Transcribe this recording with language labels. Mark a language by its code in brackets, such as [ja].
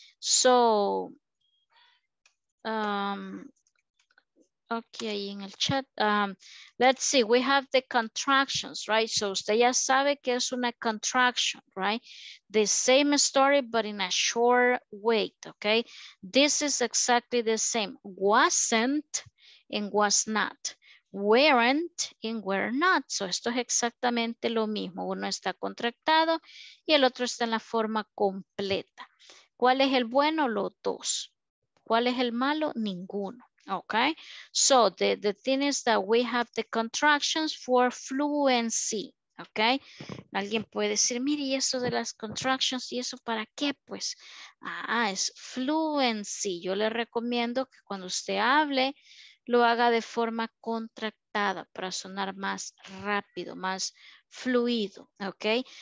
[en] So, okay, in el chat, let's see, we have the contractions, right? [es] So usted ya sabe que es una contraction, right? [en] The same story, but in a short way, okay? This is exactly the same, wasn't and was not, weren't and were not. [es] So esto es exactamente lo mismo, uno está contractado y el otro está en la forma completa. ¿Cuál es el bueno? Los dos. ¿Cuál es el malo? Ninguno. [en] Okay, so the thing is that we have the contractions for fluency. [es] Okay, alguien puede decir, mire, ¿y eso de las contractions y eso para qué? Pues, es fluency. Yo le recomiendo que cuando usted hable lo haga de forma contractada para sonar más rápido, más fluido, ¿ok?